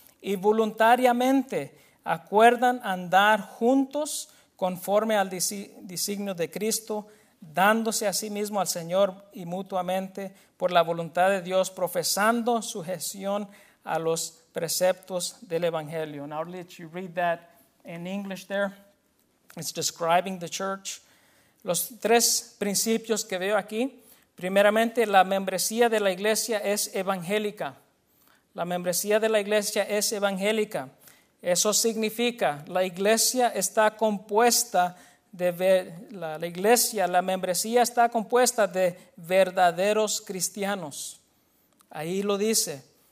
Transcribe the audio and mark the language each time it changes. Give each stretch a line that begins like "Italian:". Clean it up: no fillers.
Spanish: Y voluntariamente acuerdan andar juntos conforme al designio de Cristo, dándose a sí mismo al Señor y mutuamente por la voluntad de Dios, profesando sujeción a los preceptos del Evangelio.
English: Now let you read that in English there. It's describing the church.
Spanish: Los tres principios que veo aquí. Primeramente, la membresía de la iglesia es evangélica. La membresía de la iglesia es evangélica. Eso significa la iglesia está compuesta de la membresía está compuesta de verdaderos cristianos. Ahí lo dice.